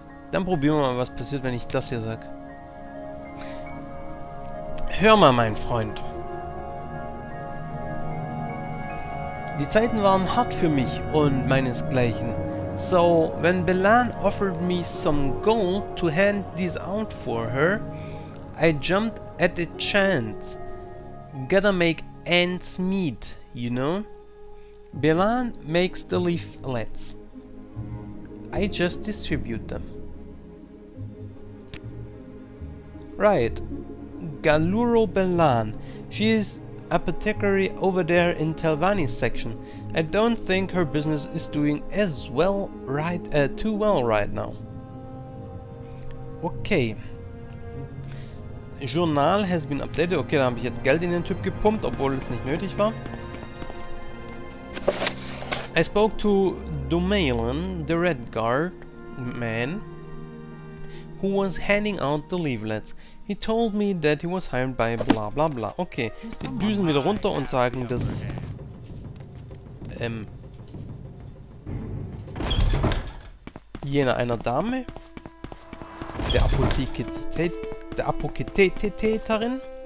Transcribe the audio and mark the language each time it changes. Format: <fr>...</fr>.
<de>Dann probieren wir mal, was passiert, wenn ich das hier sag. Hör mal, mein Freund. Die Zeiten waren hart für mich und meinesgleichen.</de> <en>So, when Belan offered me some gold to hand this out for her, I jumped at the chance. Gotta make ends meet, you know? Belan makes the leaflets. I just distribute them. Right, Galuro Belan. She is apothecary over there in Telvani's section. I don't think her business is doing as well right too well right now. Okay. Journal has been updated.</en> <de>Okay, da habe ich jetzt Geld in den Typ gepumpt, obwohl es nicht nötig war.</de> <en>I spoke to Dumaelan, the Red Guard man, who was handing out the leaflets. He told me that he was hired by bla bla bla.</en> <de>Okay, wir düsen wieder runter und sagen, dass... jener einer Dame. Der Apokatheterin.</de>